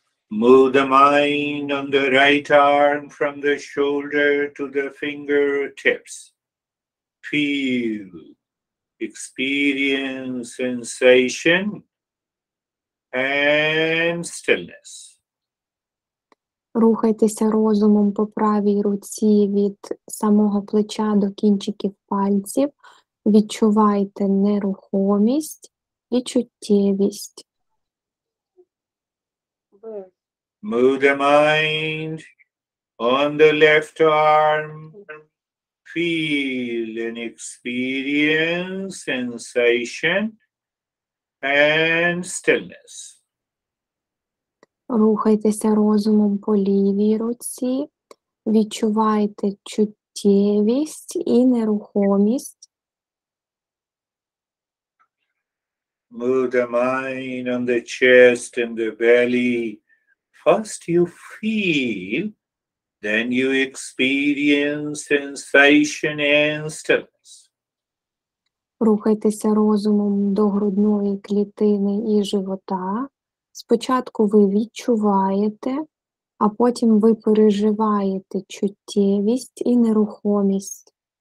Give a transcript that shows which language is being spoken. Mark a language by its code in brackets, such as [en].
[en] Move the mind on the right arm from the shoulder to the fingertips. Feel, experience sensation and stillness. [uk] Рухайтеся розумом по правій руці від самого плеча до кінчиків пальців. Відчувайте нерухомість і чуттєвість. [en] Move the mind on the left arm. Feel and experience sensation and stillness. [uk] Рухайтеся розумом по лівій руці, відчувайте чуттєвість і нерухомість. [en] Move the mind on the chest and the belly. First you feel, then you experience sensation and stillness. [uk] Рухайтеся розумом до грудної клітини і живота. Спочатку ви відчуваєте, а потім ви переживаєте чуттєвість і нерухомість.